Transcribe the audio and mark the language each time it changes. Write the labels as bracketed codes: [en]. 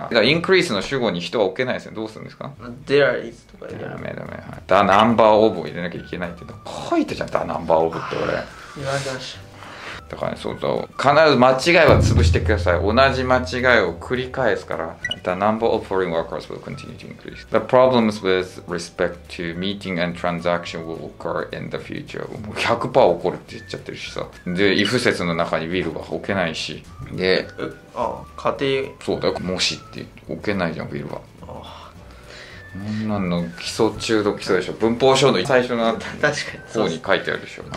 [ja] だから、increase の主語に人は置けないですよ。どうするんですか [en] ?there is [ja] とか言って。ダメダメ。 [en] the number of [ja] を入れなきゃいけないって。書いてじゃん、the number of って俺。言われてました。だからね、そうそう。必ず間違いは潰してください。同じ間違いを繰り返すから。 [en] the number of foreign workers will continue to increase. the problems with respect to meeting and transaction will occur in the future. [ja] もう 100% 起こるって言っちゃってるしさ。で、if 説の中に will は置けないし。で、ああ家庭そうだよ、もしって置けないじゃん、ウィルは。ああ、こんなの基礎中の基礎でしょ。文法書の最初の確かに方に書いてあるでしょ。